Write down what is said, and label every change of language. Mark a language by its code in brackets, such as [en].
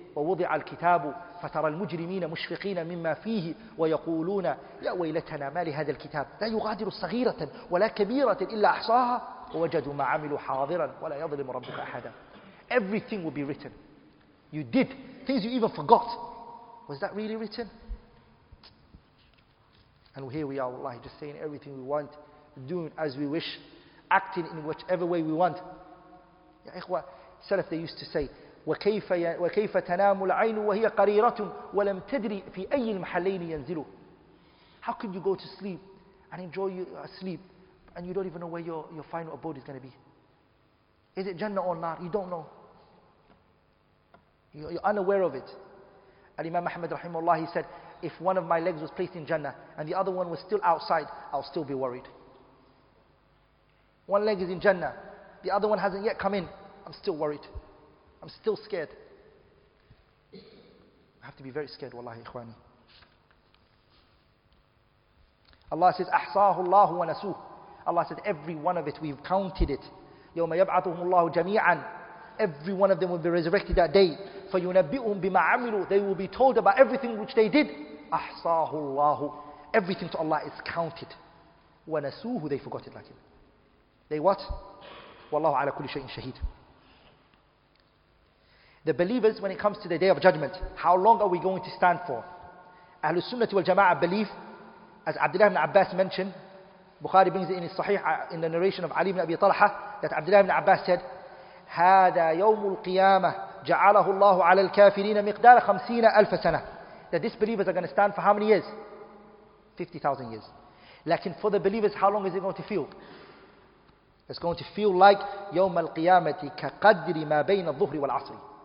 [ar] وَوُضِعَ الْكِتَابُ فَتَرَى الْمُجْرِمِينَ مُشْفِقِينَ مِمَّا فِيهِ وَيَقُولُونَ يَا وَيْلَتَنَا مَا لِهَذَا الْكِتَابِ لَا يُغَادِرُ صَغِيرَةً وَلَا كَبِيرَةً إِلَّا أَحْصَاهَا وَوَجَدُوا مَا عَمِلُوا حَاضِرًا وَلَا يَظْلِمُ رَبُّكَ أَحَدًا. [en] Everything will be written. You did things you even forgot. Was that really written? And here we are, wallahi, just saying everything we want, doing as we wish, acting in whichever way we want. Ya ikhwa, Salaf, they used to say, [ar] وَكَيْفَ تَنَامُ الْعَيْنُ وَهِيَ قَرِيرَةٌ وَلَمْ تَدْرِي فِي أَيِّ الْمَحَلَّيْنِ يَنْزِلُ. [en] How could you go to sleep and enjoy your sleep and you don't even know where your final abode is going to be? Is it Jannah or Nar? You don't know. You're unaware of it. Al-Imam Ahmad rahimahullah, he said, if one of my legs was placed in Jannah and the other one was still outside, I'll still be worried. One leg is in Jannah, the other one hasn't yet come in, I'm still worried. I'm still scared. I have to be very scared, wallahi, ikhwani. Allah says, [ar] أحصاه الله ونسوه. [en] Allah said, every one of it, we've counted it. [ar] يوم يبعثهم الله جميعا. [en] Every one of them will be resurrected that day. [ar] فَيُنَبِّئُهُمْ بِمَا عَمِلُوا. [en] They will be told about everything which they did. [ar] أحصاه الله. [en] Everything to Allah is counted. [ar] ونسوه. [en] They forgot it like him. They what? [ar] وَاللَّهُ عَلَى كُلِّ شَيْءٍ شَهِيدٍ. [en] The believers, when it comes to the Day of Judgment, how long are we going to stand for? Ahlul Sunnah wal Jama'ah believe, as Abdullah ibn Abbas mentioned, Bukhari brings it in his Sahih, in the narration of Ali ibn Abi Talha, that Abdullah ibn Abbas said, [ar] هذا يوم القيامة جعله الله على الكافرين مقدار [en] 50,000 years. That these believers are going to stand for how many years? 50,000 years. Lakin for the believers, how long is it going to feel? It's going to feel like [ar] يوم القيامة كقدر ما بين الظهر والعصر.